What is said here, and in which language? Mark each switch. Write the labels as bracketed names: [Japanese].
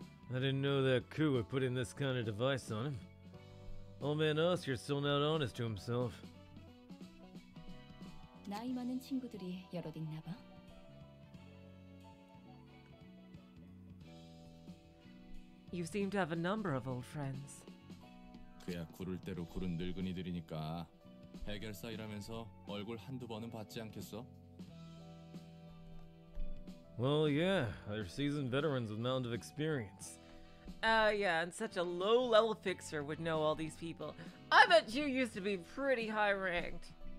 [English] I didn't know that Ku would put in this kind of device on him. Old man Oscar's still not honest to himself. [Korean] 나이 많은 친구들이 여럿 있나 봐. [English] You seem to have a number of old friends. [Korean] 그야 구를 대로 구른 늙은이들이니까 해결사이라면서 얼굴 한두 번은 봤지 않겠어? [English] Well, yeah, they're seasoned veterans with mounds of experience. And such a low-level fixer would know all these people. I bet you used to be pretty high-ranked.